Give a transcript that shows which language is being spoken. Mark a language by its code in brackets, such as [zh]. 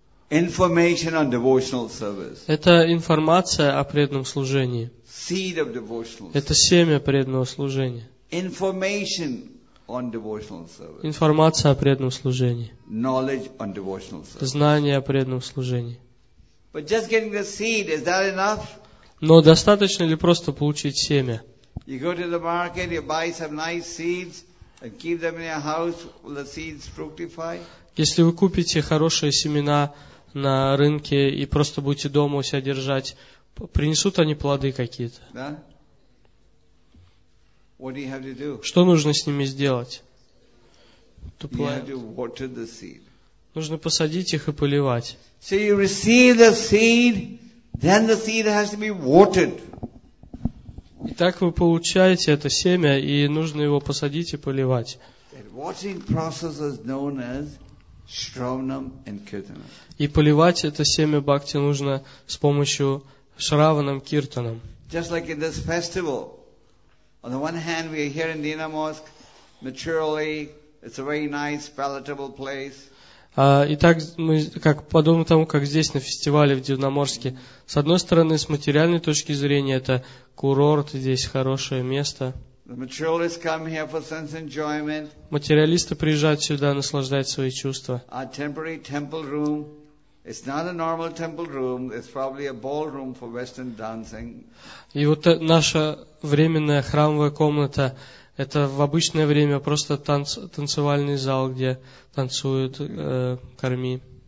[en] Information on devotional service. [ru] Это информация о преданном служении. [en] Seed of devotional service. [ru] Это семя преданного служения. [en] Information on devotional service. [ru] Информация о преданном служении. [en] Knowledge on devotional service. [ru] Знание о преданном служении. [en] But just getting the seed, is that enough? [ru] Но достаточно ли просто получить семя? [en] You go to the market, you buy some nice seeds and keep them in your house, will the seeds fructify? [ru] Если вы купите хорошие семена на рынке и просто будете дома у себя держать, принесут они плоды какие-то? Да? [en] What do you have to do? [ru] Что нужно с ними сделать? [en] To plant. You have to water the seed. [ru] Нужно посадить их и поливать. [en] So you receive the seed, then the seed has to be watered. [ru] Итак, вы получаете это семя, и нужно его посадить и поливать. [en] That watering process is known as Shravanam and Kirtanam. [ru] И поливать это семя бхакти нужно с помощью Шраванам Киртанам. [en] Just like in this festival, On the one hand, we are here in Dina Mosque, materially, it's a very nice, palatable place. [ru] Итак, мы как подобно тому, как здесь на фестивале в Дивноморске. С одной стороны, с материальной точки зрения, это курорт, здесь хорошее место. Материалисты приезжают сюда наслаждать свои чувства. И вот наша временная храмовая комната, это в обычное время просто танцевальный зал, где танцуют корми.